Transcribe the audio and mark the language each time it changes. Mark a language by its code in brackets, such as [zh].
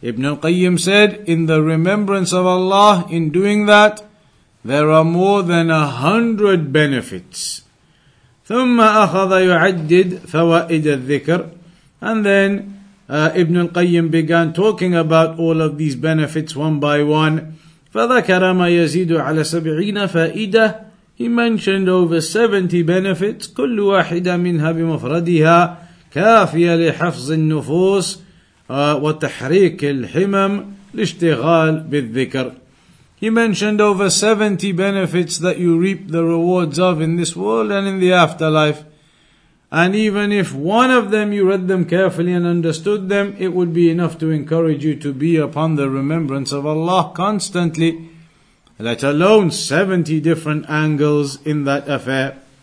[en] Ibn Al-Qayyim said, in the remembrance of Allah, in doing that, there are more than 100 benefits. [ar] ثُمَّ أَخَذَ يُعَدِّدْ فَوَائِدَ الذِّكْرِ. [en] And then Ibn Al-Qayyim began talking about all of these benefits one by one. [ar] فَذَكَرَ مَا يَزِيدُ عَلَى سَبْعِينَ فَائِدَةً. [en] He mentioned over 70 benefits, [ar] كل واحدة منها بمفردها كافية لحفظ النفوس وتحريك الحمم لاشتغال بالذكر. [en] He mentioned over 70 benefits that you reap the rewards of in this world and in the afterlife. And even if one of them you read them carefully and understood them, it would be enough to encourage you to be upon the remembrance of Allah constantly, let alone 70 different angles in that affair.